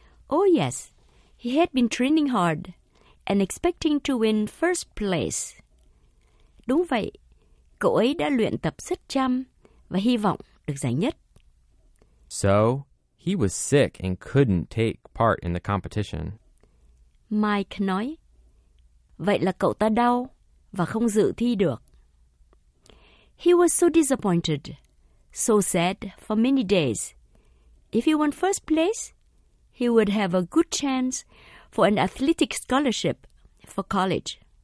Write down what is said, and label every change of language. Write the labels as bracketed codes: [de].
[en] Oh yes, he had been training hard and expecting to win first place. [vi] Đúng vậy, cậu ấy đã luyện tập rất chăm và hy vọng được giải nhất. [en] So, he was sick and couldn't take part in the competition. [vi] Mike nói, vậy là cậu ta đau và không dự thi được. [en] He was so disappointed, so sad for many days. If he won first place, he would have a good chance for an athletic scholarship for college.